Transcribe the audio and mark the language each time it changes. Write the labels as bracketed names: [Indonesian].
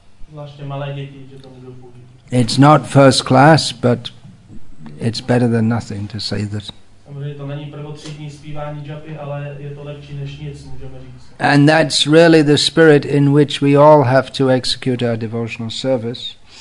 [Czech] Zvláště malé děti, že to můžou používat. [English] It's not first class, but it's better than nothing to say that. [Czech] Samozřejmě to není prvotřídní zpívání džapy, ale je to lepší než nic, můžeme říct. [English] And that's really the spirit in which we all have to execute our devotional service.